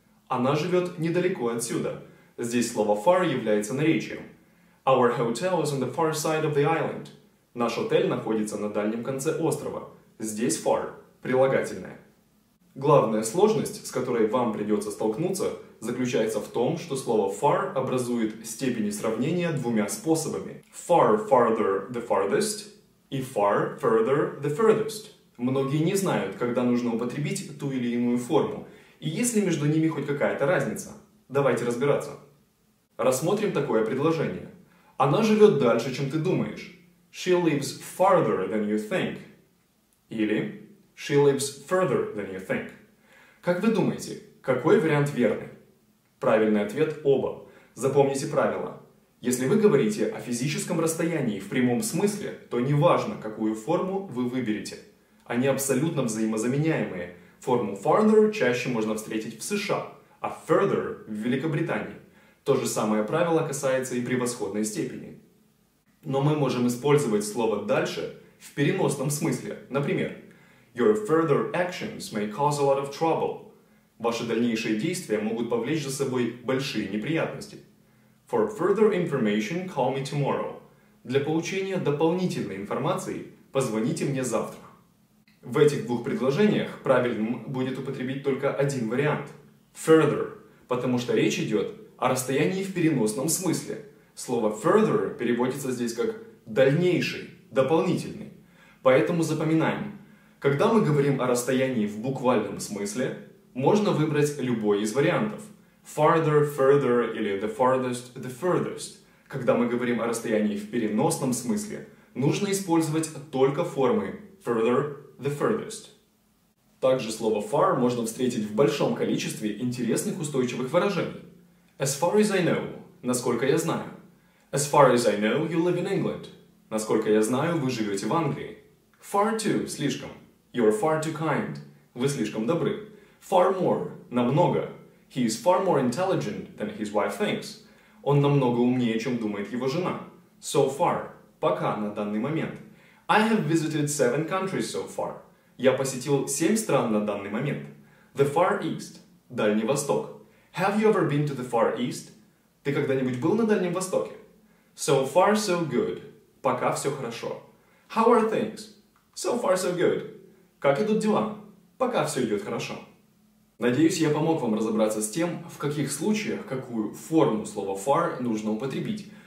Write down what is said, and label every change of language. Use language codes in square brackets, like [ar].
[ru] Она живет недалеко отсюда. Здесь слово far является наречием. [en] Our hotel is on the far side of the island. [ru] Наш отель находится на дальнем конце острова. Здесь far – прилагательное. Главная сложность, с которой вам придется столкнуться, заключается в том, что слово far образует степени сравнения двумя способами. [en] Far – farther – the farthest и far – further – the furthest. [ru] Многие не знают, когда нужно употребить ту или иную форму, и есть ли между ними хоть какая-то разница. Давайте разбираться. Рассмотрим такое предложение. Она живет дальше, чем ты думаешь. [en] She lives farther than you think. Или she lives further than you think. [ru] Как вы думаете, какой вариант верный? Правильный ответ – оба. Запомните правило. Если вы говорите о физическом расстоянии в прямом смысле, то не важно, какую форму вы выберете. Они абсолютно взаимозаменяемые. Форму farther чаще можно встретить в США, а further – в Великобритании. То же самое правило касается и превосходной степени. Но мы можем использовать слово «дальше» в переносном смысле. [en] Например, «Your further actions may cause a lot of trouble». [ru] Ваши дальнейшие действия могут повлечь за собой большие неприятности. [en] For further information, call me tomorrow. [ru] Для получения дополнительной информации, позвоните мне завтра. В этих двух предложениях правильным будет употребить только один вариант. Further, потому что речь идет о расстоянии в переносном смысле. Слово further переводится здесь как дальнейший, дополнительный. Поэтому запоминаем. Когда мы говорим о расстоянии в буквальном смысле, можно выбрать любой из вариантов. [en] Farther, further или the furthest. [ru] Когда мы говорим о расстоянии в переносном смысле, нужно использовать только формы further, the furthest. Также слово far можно встретить в большом количестве интересных устойчивых выражений. [en] As far as I know, [ru] насколько я знаю. [en] As far as I know, you live in England. [ru] Насколько я знаю, вы живете в Англии. [en] Far too, слишком. You're far too kind. [ru] Вы слишком добры. [en] Far more, намного. He is far more intelligent than his wife thinks. [ru] Он намного умнее, чем думает его жена. So far, пока, на данный момент. [en] I have visited 7 countries so far. [ru] Я посетил 7 стран на данный момент. [en] The Far East, Дальний Восток. Have you ever been to the Far East? [ru] Ты когда-нибудь был на Дальнем Востоке? [en] So far, so good. [ru] Пока все хорошо. [en] How are things? So far, so good. [ru] Как идут дела? Пока все идет хорошо. Надеюсь, я помог вам разобраться с тем, в каких случаях какую форму слова far нужно употребить.